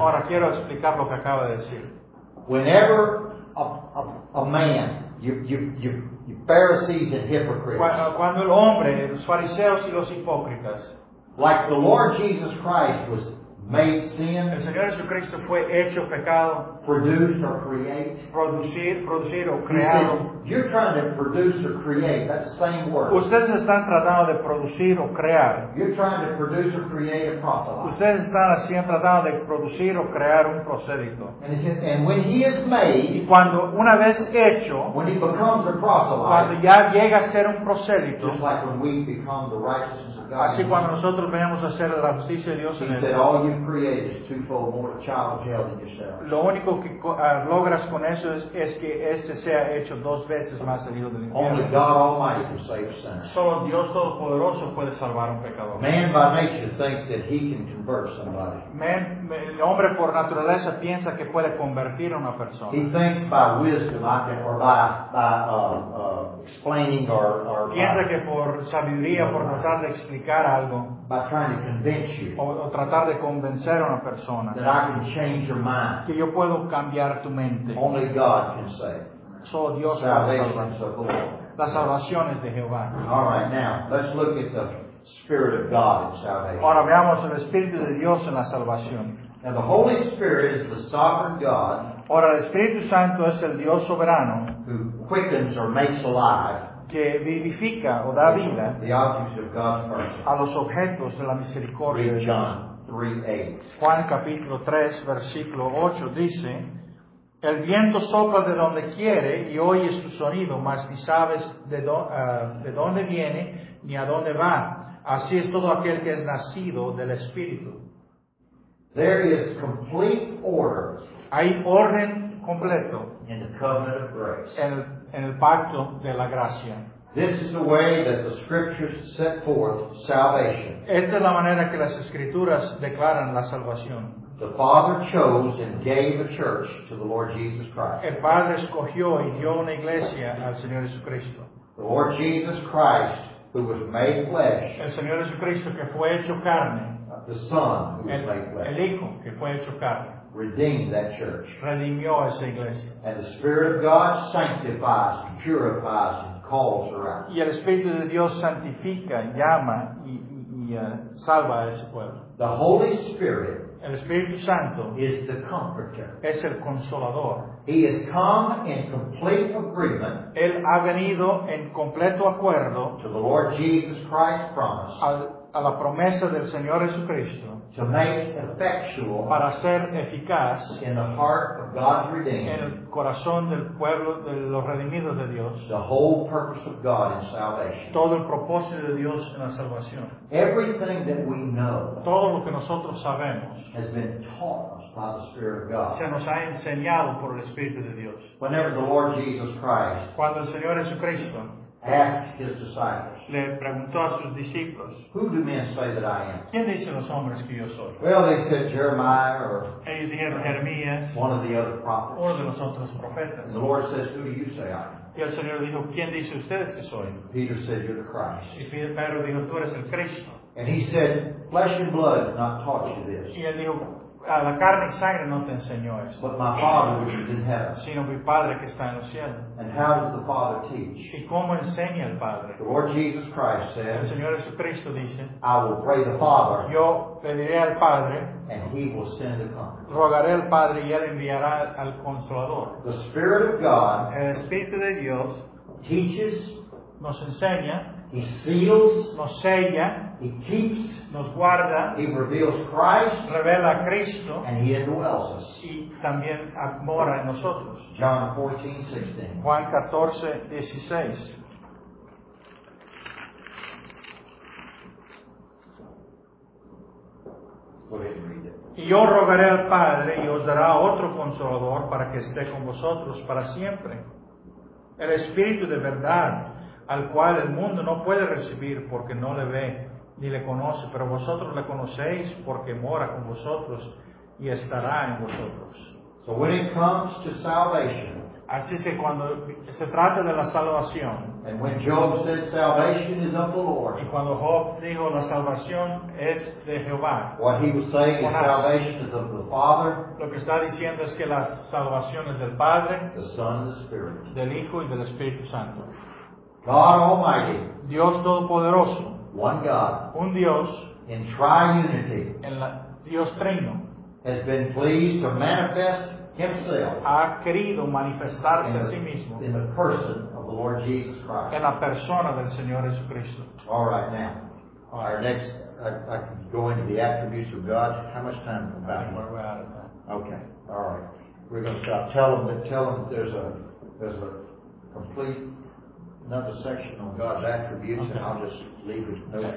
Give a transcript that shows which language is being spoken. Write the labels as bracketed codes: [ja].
[es] Ahora quiero explicar lo que acaba de decir. [en] Whenever a man, you Pharisees and hypocrites. [es] Cuando el hombre, los fariseos y los hipócritas. [en] Like the Lord Jesus Christ was made sin. [es] El Señor Jesucristo fue hecho pecado. [en] Produced or create. [es] Producir o creado. [en] Said, you're trying to produce or create. That's the same word. [es] Ustedes están tratando de producir o crear. [en] You're trying to produce or create a proselyte. [es] Ustedes están así tratando de producir o crear un prosélito. [en] And when he is made. [es] Y cuando una vez hecho. [en] When he becomes a proselyte. [es] Cuando ya llega a ser un prosélito. [en] Just like when we become the righteousness. [es] Así cuando nosotros venimos a hacer la justicia de Dios en él. [en] He said, all you've created is twofold more child of hell than yourself. [es] Lo único que logras con eso es que este sea hecho dos veces más el hijo del infierno. [en] Only God Almighty can save a sinner. [es] Solo Dios Todopoderoso puede salvar un pecador. [en] Man by nature thinks that he can convert somebody. [es] El hombre por naturaleza piensa que puede convertir a una persona. [en] He thinks by wisdom or by explaining or [es] piensa [en] by, [es] que por sabiduría, [en] you know, [es] por tratar de explicar algo, [en] by trying to convince you, [es] o tratar de convencer a una persona, [en] that I can change your mind, [es] que yo puedo cambiar tu mente. [en] Only God can say. [es] Solo Dios puede salvar. La salvación es de Jehová. [en] All right, now let's look at the Spirit of God in salvation. [es] Ahora veamos el Espíritu de Dios en la salvación. [en] Now the Holy Spirit is the sovereign God. [es] Ahora el Espíritu Santo es el Dios soberano [en] who quickens or makes alive. [es] Que vivifica o da vida a los objetos de la misericordia. [en] Read John 3:8. [es] Juan capítulo 3 versículo 8 dice, el viento sopla de donde quiere y oye su sonido, mas ni sabes de dónde viene ni a dónde va. Así es todo aquel que es nacido del Espíritu. [en] There is complete order. [es] Hay orden completo [en] in the covenant of grace. [es] En el pacto de la gracia. [en] This is the way that the scriptures set forth salvation. [es] Esta es la manera que las escrituras declaran la salvación. [en] The Father chose and gave a church to the Lord Jesus Christ. [es] El Padre escogió y dio una iglesia al Señor Jesucristo. [en] The Lord Jesus Christ, who was made flesh. [es] El Señor Jesucristo que fue hecho carne. [en] The Son, who was made flesh. [es] El Hijo que fue hecho carne. [en] Redeemed that church. [es] Redimió esa iglesia. [en] And the Spirit of God sanctifies and purifies and calls her out. [es] Y el Espíritu de Dios santifica, llama y salva a ese pueblo. [en] The Holy Spirit. [es] El Espíritu Santo [en] is the comforter. [es] Es el consolador. [en] He has come in complete agreement. [es] Él ha venido en completo acuerdo. [en] To the Lord Jesus Christ's promise. [es] A la promesa del Señor Jesucristo. [en] To make effectual. [es] Para ser eficaz. [en] In the heart of God's redeemed. [es] En el corazón del pueblo de los redimidos de Dios. [en] The whole purpose of God in salvation. [es] Todo el propósito de Dios en la salvación. [en] Everything that we know. [es] Todo lo que nosotros sabemos. [en] Has been taught us by the Spirit of God. [es] Se nos ha enseñado por el Espíritu de Dios. [en] Whenever the Lord Jesus Christ. [es] Cuando el Señor Jesucristo. [en] Asked his disciples. [es] Le preguntó a sus discípulos. [en] Who do men say that I am? [es] ¿Quién dicen los hombres que yo soy? [en] Well, they said Jeremiah or. [es] Ellos dijeron Jeremías. [en] One of the other prophets. [es] Uno de los otros profetas. [en] The Lord says, who do you say I am? [es] Y el Señor dijo, ¿quién dice ustedes que soy? [en] Peter said, you're the Christ. [es] Y Pedro dijo, tú eres el Cristo. [en] And he said, flesh and blood has not taught you this. [es] Y él dijo, a la carne y sangre no te enseñó esto. [en] But my Father which is in heaven. [es] Sino mi Padre que está en los cielos. [en] And how does the Father teach? [es] ¿Y cómo enseña el Padre? [en] The Lord Jesus Christ said. [es] El Señor Jesucristo dice. [en] I will pray the Father. [es] Yo pediré al Padre. [en] And he will send the Comforter. [es] Rogaré al Padre y él enviará al Consolador. [en] The Spirit of God. [es] El Espíritu de Dios. [en] Teaches. [es] Nos enseña. [en] He seals. [es] Nos sella. [en] He keeps. [es] Nos guarda. [en] He reveals Christ. [es] Revela a Cristo. [en] And he indwells us. [es] Y también mora en nosotros. [en] John 14, 16. [es] Juan 14, 16. [en] Go ahead and read it. [es] Y yo rogaré al Padre y os dará otro Consolador para que esté con vosotros para siempre. El Espíritu de verdad, al cual el mundo no puede recibir porque no le ve ni le conoce, pero vosotros le conocéis porque mora con vosotros y estará en vosotros. [en] So when it comes to salvation, [es] así es que cuando se trata de la salvación, [en] and when Job said, salvation is of the Lord, [es] y cuando Job dijo la salvación es de Jehová, [en] what he was saying is salvation is of the Father, [es] lo que está diciendo es que la salvación es del Padre, [en] the Son, the Spirit, [es] del Hijo y del Espíritu Santo. [en] God Almighty, [es] Dios Todopoderoso, [en] one God, [es] un Dios, [en] in triunity, [es] en la Dios Trino, [en] has been pleased to manifest himself, [es] ha querido manifestarse a sí mismo, [en] in the person of the Lord Jesus Christ, [es] en la persona del Señor Jesucristo. [en] All right, now, our next, I can go into the attributes of God. How much time do we have? We're out of time. Okay, all right. We're going to stop. Tell them that there's a complete another section on God's attributes, okay. And I'll just leave it note